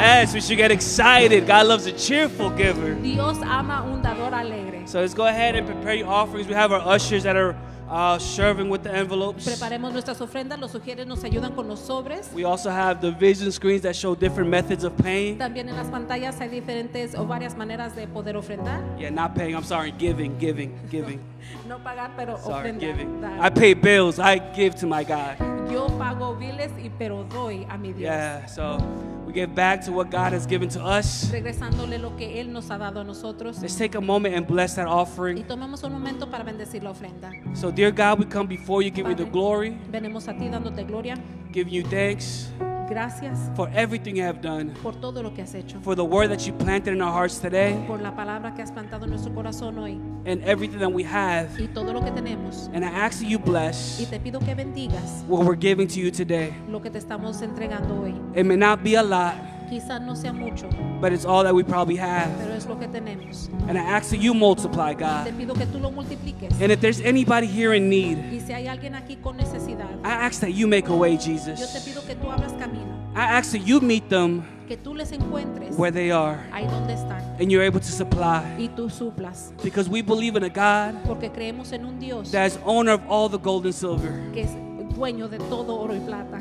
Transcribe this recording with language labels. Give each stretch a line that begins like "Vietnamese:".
English: Yes, we should get excited. God loves a cheerful giver.
Spanish: Dios ama un dador alegre.
English: So let's go ahead and prepare your offerings. We have our ushers that are serving with the envelopes.
Spanish: Preparemos nuestras ofrendas. Los sugieres nos ayudan con los sobres.
English: We also have the vision screens that show different methods of paying.
Spanish: También en las pantallas hay diferentes o varias maneras de poder ofrendar.
English: Yeah, not paying. I'm sorry. Giving.
Spanish: No pagar, pero
English: sorry,
Spanish: ofrendar.
English: Giving. I pay bills. I give to my God.
Spanish: Yo pago biles y pero doy a mi Dios.
English: Yeah, so we give back to what God has given to us.
Spanish: Regresándole lo que Él nos ha dado a nosotros.
English: Let's take a moment and bless that offering.
Spanish: Y tomemos un momento para bendecir la ofrenda.
English: So dear God, we come before you, give
Spanish: Padre,
English: you the glory.
Spanish: Venimos a ti dándote gloria.
English: Give you thanks.
Spanish: Gracias.
English: For everything you have done.
Spanish: Por todo lo que has hecho.
English: For the word that you planted in our hearts today.
Spanish: Por la palabra que has plantado en nuestro corazón hoy.
English: And everything that we have.
Spanish: Y todo lo que tenemos.
English: And I ask that you bless.
Spanish: Y te pido que bendigas.
English: What we're giving to you today.
Spanish: Lo que te estamos entregando hoy.
English: It may not be a lot.
Spanish: Quizá no sea mucho.
English: But it's all that we probably have.
Spanish: Pero es lo que tenemos.
English: And I ask that you multiply, God.
Spanish: Te pido que tú lo multipliques.
English: And if there's anybody here in need.
Spanish: Y si hay alguien aquí con necesidad.
English: I ask that you make a way, Jesus.
Spanish: Yo te pido que tú abras camino.
English: I ask that you meet them.
Spanish: Que tú les encuentres.
English: Where they are.
Spanish: Ahí donde están.
English: And you're able to supply.
Spanish: Y tú suplas.
English: Because we believe in a God.
Spanish: Porque creemos en un Dios.
English: That is owner of all the gold and silver.
Spanish: Que es dueño de todo oro y plata.